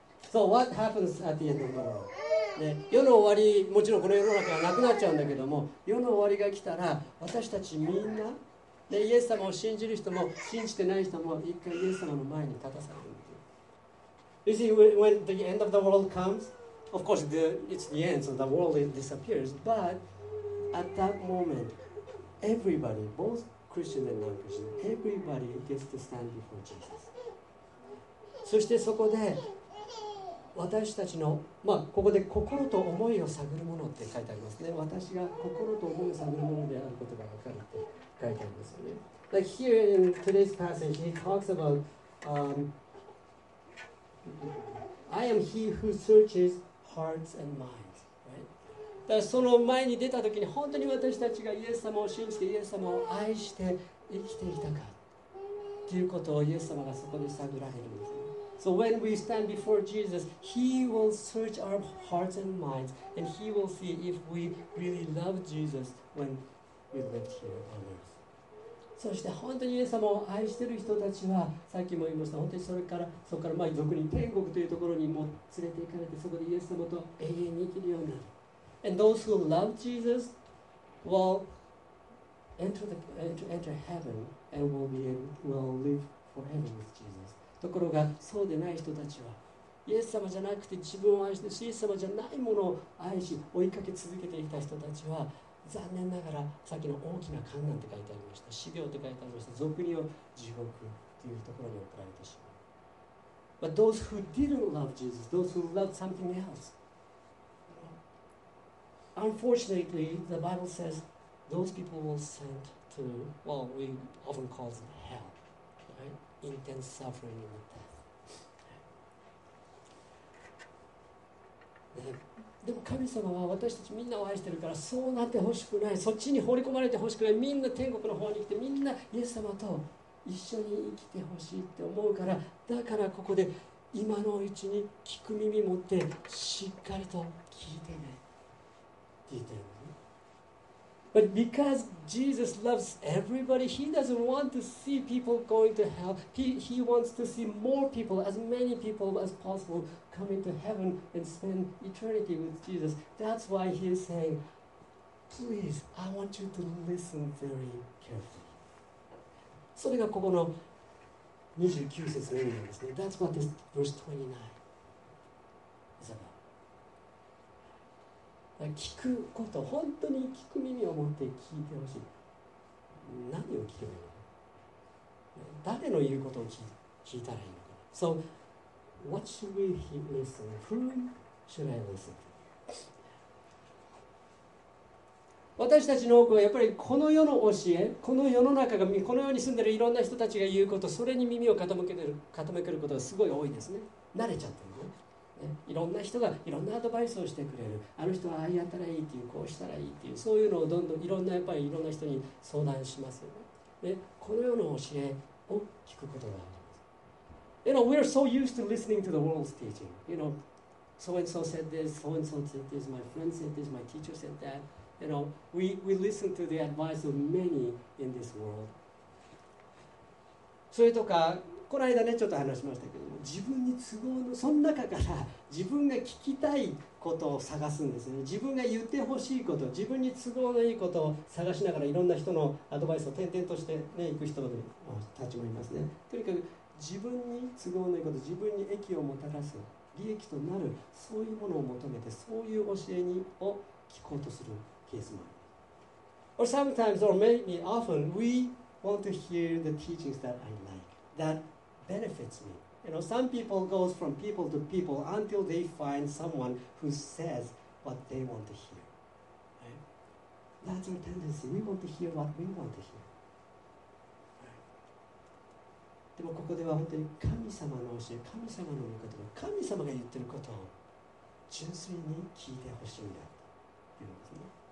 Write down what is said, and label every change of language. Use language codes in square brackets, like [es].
[en] So what happens at the end of the world?、 [ja] ね、世の終わりもちろんこの世の中はなくなっちゃうんだけども世の終わりが来たら私たちみんな、ね、イエス様を信じる人も信じてない人も一回イエス様の前に立たされる [en] You see when the end of the world comes of course it's the end so the world disappears but at that moment everybody bothChristian and non-Christian, everybody gets to stand before Jesus. [ja] そしてそこで私たちの、まあ、ここで心と思いを探るものって書いてありますね。私が心と思いを探るものであることが分かるって書いてありますよね。 [en] Like here in today's passage, he talks about, I am he who searches hearts and minds. [ja] だからその前に出た時に本当に私たちがイエス様を信じてイエス様を愛して生きていたかということをイエス様がそこで探られるんです。 [en] So when we stand before Jesus, He will search our hearts and minds, and He will see if we really love Jesus when we lived here on earth. [ja] そして本当にイエス様を愛している人たちは、さっきも言いました、本当にそこから前に俗に天国というところにも連れて行かれて、そこでイエス様と永遠に生きるようになる。 [en] And those who love Jesus will enter heaven and will live forever with Jesus. [ja] ところがそうでない人たちはイエス様じゃなくて自分を愛してイエス様じゃないものを愛し追いかけ続けていた人たちは残念ながらさっきの大きな患難って書いてありました死病って書いてありました俗に言う地獄というところに送られてしまう。 [en] But those who didn't love Jesus, those who loved something elseUnfortunately, the Bible says those people will sent to what we often call hell, right? Intense suffering and death. [ja] でも神様は私たちみんなを愛してるからそうなってほしくない、そっちに放り込まれてほしくない、みんな天国の方に来てみんなイエス様と一緒に生きてほしいって思うから、だからここで今のうちに聞く耳持ってしっかりと聞いてねって言ってるのね。 [en] But because Jesus loves everybody, he doesn't want to see people going to hell. He wants to see more people, as many people as possible,come into heaven and spend eternity with Jesus. That's why he is saying, please, I want you to listen very carefully. [ja] それがここの29節の意味なんですね。 [en] That's what this verse 29 is about. [ja] 聞くこと、本当に聞く耳を持って聞いてほしい。何を聞けばいいの？誰の言うことを聞いたらいいのか。 [en] So,What should we listen? Who should I listen to? [ja] 私たちの多くはやっぱりこの世の教え、この世の中が、この世に住んでいるいろんな人たちが言うこと、それに耳を傾けることがすごい多いですね。慣れちゃってるね。いろんな人がいろんなアドバイスをしてくれる。あの人はああやったらいいっていう、こうしたらいいっていう、そういうのをどんどんいろんな人に相談しますよね。で、この世の教えを聞くことがある。 [en] You know, we are so used to listening to the world's teaching. You know, so-and-so said this, so-and-so said this, my friend said this, my teacher said that. You know, we listen to the advice of many in this world. [ja] それとか、この間ね、ちょっと話しましたけども、自分に都合の、その中から自分が聞きたいことを探すんですね。自分が言ってほしいこと、自分に都合のいいことを探しながら、いろんな人のアドバイスを点々としてね、行く人たちもいますね。とにかく、自分に都合のいいこと、自分に益をもたらす、利益となる、そういうものを求めて、そういう教えにを聞こうとするケースもある。 [en] Or sometimes, or maybe often, we want to hear the teachings that I like, that benefits me. You know, some people go from people to people until they find someone who says what they want to hear. Right? That's our tendency. We want to hear what we want to hear. [ja] でもここでは本当に神様の教え、神様の言葉、神様が言ってることを純粋に聞いてほしいんだというんですね。